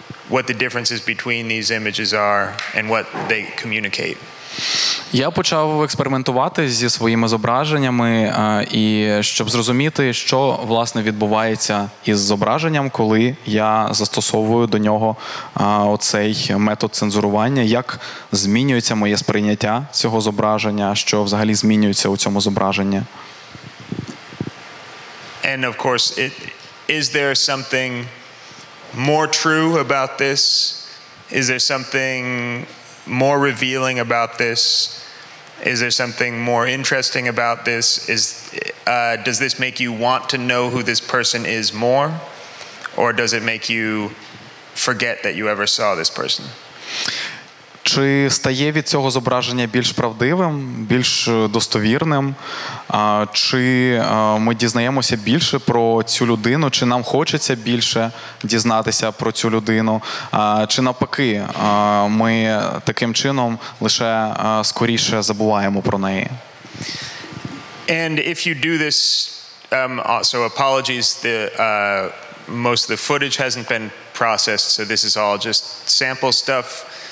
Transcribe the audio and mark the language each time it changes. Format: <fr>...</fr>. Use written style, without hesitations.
<en>What the differences between these images are and what they communicate.</en> <uk>Я почав експериментувати зі своїми зображеннями, і щоб зрозуміти, що власне відбувається із зображенням, коли я застосовую до нього оцей метод цензурування, як змінюється моє сприйняття цього зображення, що взагалі змінюється у цьому зображенні.</uk> <en>And of course, is there something more true about this? Is there something more revealing about this? Is there something more interesting about this? Does this make you want to know who this person is more? Or does it make you forget that you ever saw this person?</en> <uk>Чи стає від цього зображення більш правдивим, більш достовірним? Чи ми дізнаємося більше про цю людину? Чи нам хочеться більше дізнатися про цю людину? Чи навпаки, ми таким чином лише скоріше забуваємо про неї?</uk> <en>And if you do this, so apologies, most of the footage hasn't been processed, so this is all just sample stuff.</en>